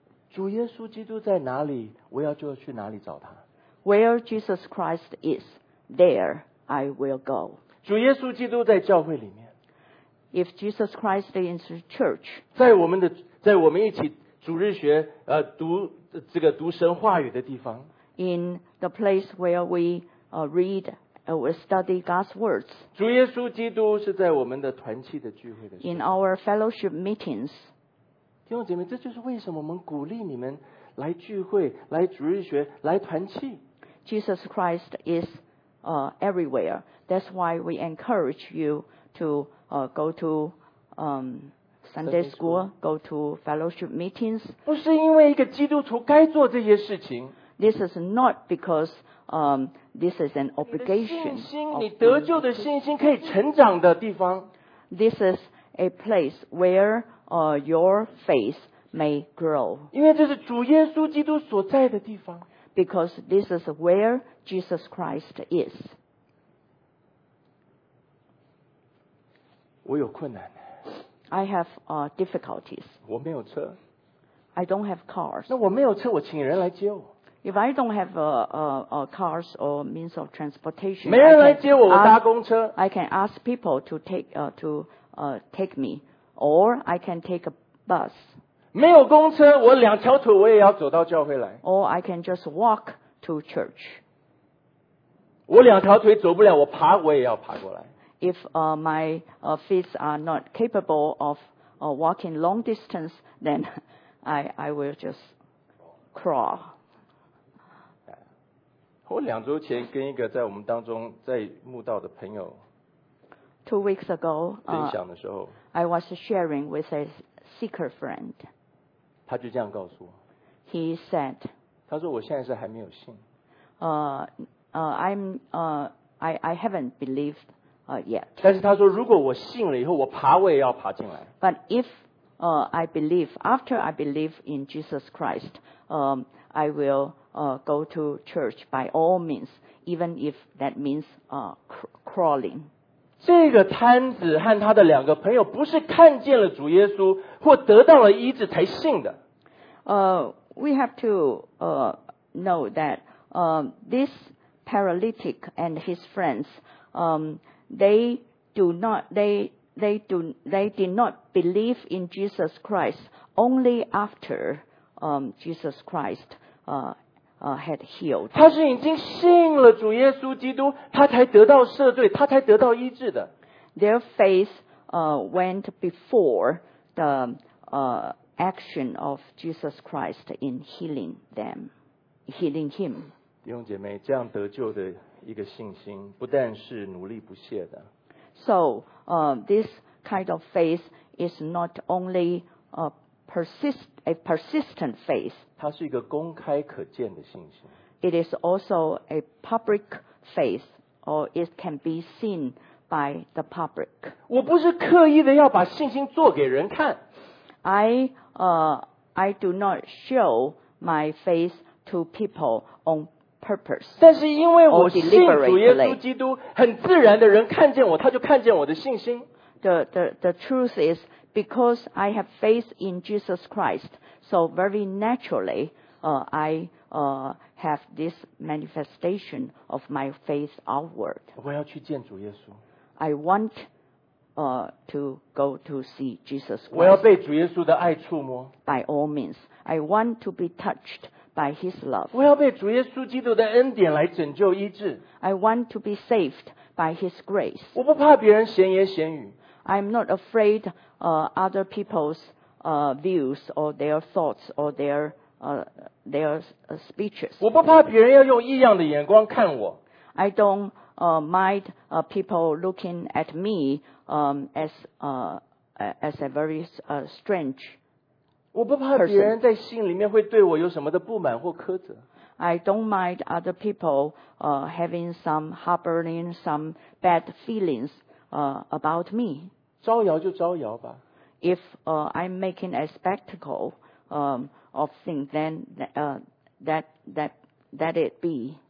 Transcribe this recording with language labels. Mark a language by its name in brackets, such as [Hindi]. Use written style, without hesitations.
[Chinese] 主耶稣基督在哪里，我要就去哪里找他。 [English] Where Jesus Christ is, there I will go. [Chinese] 主耶稣基督在教会里面。 [English] If Jesus Christ is in church, [Chinese] 在我们一起主日学读这个读神话语的地方。 [English] In the place where we readWe study God's words. [Chinese] 主耶稣基督是在我们的团契的聚会的时候。 [English] In our fellowship meetings. [Chinese] 弟兄姐妹，这就是为什么我们鼓励你们来聚会、来主日学、来团契。 [English] Jesus Christ is everywhere. That's why we encourage you to go to Sunday school, go to fellowship meetings. [Chinese] 不是因为一个基督徒该做这些事情。 [English] This is not because this is an obligation. [Chinese] 你的信心，你得救的信心可以成长的地方。 [English] This is a place where your faith may grow. [Chinese] 因为这是主耶稣基督所在的地方。 [English] Because this is where Jesus Christ is. [Chinese] 我有困难。 [English] I have difficulties. [Chinese] 我没有车。 [English] I don't have cars. [Chinese] 那我没有车，我请人来接我。 [English] If I don't have a cars or means of transportation, [Chinese] 没人来接我，我搭公车。 [English] I can ask people to take me, or I can take a bus. [Chinese] 没有公车，我两条腿我也要走到教会来。 [English] Or I can just walk to church. [Chinese] 我两条腿走不了，我爬我也要爬过来。 [English] If my feet are not capable of walking long distance, then I will just crawl. [Chinese] 我两周前跟一个在我们当中在慕道的朋友 [English] ，two weeks ago [Chinese] 分享的时候 [English] ，I was sharing with a seeker friend。 [Chinese] 他就这样告诉我 [English] ，He said， [Chinese] 他说我现在是还没有信。 [English] I haven't believed yet。 [Chinese] 但是他说，如果我信了以后，我爬我也要爬进来。 [English] But if I believe after I believe in Jesus Christ, I will. Go to church by all means, even if that means crawling. [Chinese] 这个摊子和他的两个朋友不是看见了主耶稣或得到了医治才信的。 [English] We have to know that this paralytic and his friends, they did not believe in Jesus Christ only after Jesus Christ. Had healed. [Chinese] 他是已经信了主耶稣基督，他才得到赦罪，他才得到医治的。 [English] Their faith went before the action of Jesus Christ in healing them, healing him. [Chinese] 弟兄姐妹，这样得救的一个信心，不但是努力不懈的。 [English] So this kind of faith is not only a persistent faith. [Chinese] 它是一个公开可见的信心。 [English] It is also a public faith, or it can be seen by the public. [Chinese] 我不是刻意的要把信心做给人看。 [English] I do not show my faith to people on purpose. [Chinese] 但是因为我信主耶稣基督，很自然的人看见我，他就看见我的信心。 [English] The truth is,Because I have faith in Jesus Christ, so very naturally, I have this manifestation of my faith outward. [Chinese] 我要去见主耶稣。 [English] I want to go to see Jesus Christ. [Chinese] 我要被主耶稣的爱触摸。 [English] By all means, I want to be touched by His love. [Chinese] 我要被主耶稣基督的恩典来拯救医治。 [English] I want to be saved by His grace. [Chinese] 我不怕别人闲言闲语。 [English] I'm not afraid other people's views or their thoughts or their speeches. [Chinese] 我不怕别人要用异样的眼光看我。 [English] I don't mind people looking at me as a very strange person. [Chinese] 我不怕别人在心里面会对我有什么的不满或苛责。 [English] I don't mind other people having some harboring some bad feelings about me. [Chinese] 招摇就招摇吧。 [English] If I'm making a spectacle of things, then that it be.